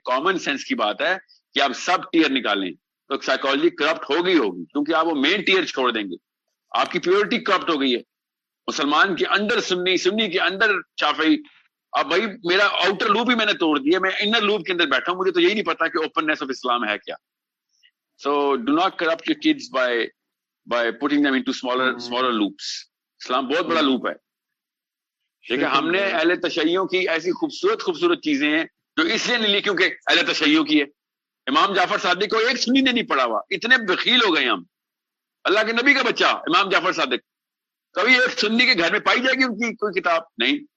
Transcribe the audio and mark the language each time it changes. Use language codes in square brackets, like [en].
[ur] Common sense کی بات ہے کہ آپ سب ٹیئر نکالیں تو سائیکالوجی کرپٹ ہوگی ہوگی, کیونکہ آپ وہ مین ٹیئر چھوڑ دیں گے, آپ کی پیورٹی کرپٹ ہو گئی ہے. مسلمان کے اندر سنی, سنی کے اندر شافعی. اب بھائی میرا آؤٹر لوپ ہی میں نے توڑ دیا, میں انر لوپ کے اندر بیٹھا ہوں, مجھے تو یہی نہیں پتا کہ اوپننیس آف اسلام ہے کیا. [en] So do not corrupt your kids by putting them into smaller loops. [ur] Islam بہت بڑا لوپ ہے. ٹھیک ہے, ہم نے اہل تشیعوں کی ایسی خوبصورت خوبصورت چیزیں ہیں جو اس لیے نہیں لی کیونکہ اہل تشیعوں کی ہے. امام جعفر صادق کو ایک سنی نے نہیں پڑھا ہوا, اتنے بخیل ہو گئے ہم. اللہ کے نبی کا بچہ امام جعفر صادق, کبھی ایک سنی کے گھر میں پائی جائے گی ان کی کوئی کتاب؟ نہیں.